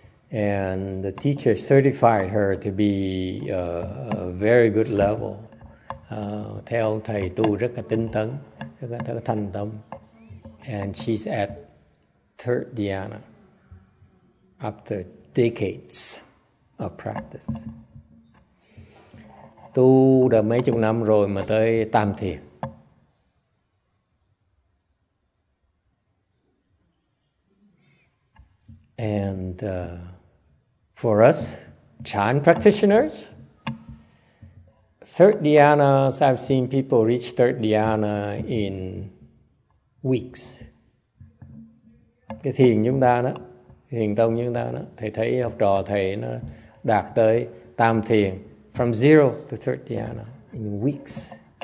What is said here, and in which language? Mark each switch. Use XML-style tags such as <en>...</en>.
<en>And the teacher certified her to be a very good level.</en> <vi>Theo thầy tu rất là tinh tấn. Thành tâm.</vi> <en>And she's at third dhyana after decades of practice.</en> <vi>Tu đã mấy chục năm rồi mà tới tam thiền.</vi> <en>And for us Chan practitioners, third dhyana, so I've seen people reach third dhyana in weeks.</en> <vi>Cái thiền chúng ta đó, thiền tông chúng ta đó, thầy thấy học trò thầy nó đạt tới tam thiền</vi> <en>from zero to third dhyana in weeks.</en>